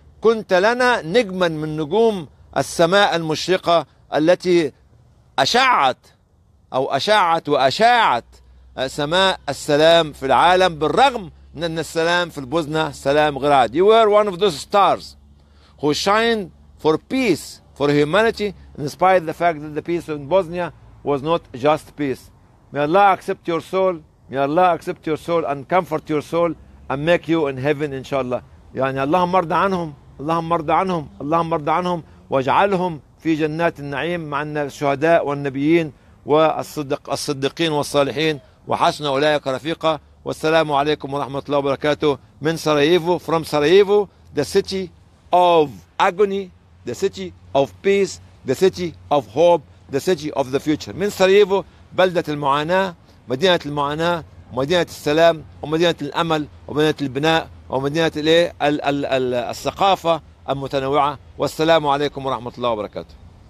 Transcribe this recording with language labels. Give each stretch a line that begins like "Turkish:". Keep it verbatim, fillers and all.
Arabic: كنت لنا نجما من نجوم السماء المشرقة التي أشعت أو أشعت وأشاعت سماء السلام في العالم، بالرغم من أن السلام في البوسنة سلام غير عادي.
English: You were one of those stars who shined for peace, for humanity, in spite of the fact that the peace in Bosnia was not just peace. May Allah accept your soul. May Allah accept your soul and comfort your soul and make you in heaven inshallah.
Arabic: يعني اللهم ارضى عنهم، اللهم ارضى عنهم، اللهم ارضى عنهم واجعلهم في جنات النعيم مع الشهداء والنبيين والصدق الصديقين والصالحين وحسن أولئك رفيقا. والسلام عليكم ورحمة الله وبركاته من سراييفو,
English: from Sarajevo, the city of agony, the city of peace, the city of hope, the city of the future.
Arabic: من سراييفو بلدة المعاناة، مدينة المعاناة، مدينة السلام، ومدينة الأمل، ومدينة البناء، ومدينة الثقافة المتنوعة. والسلام عليكم ورحمة الله وبركاته.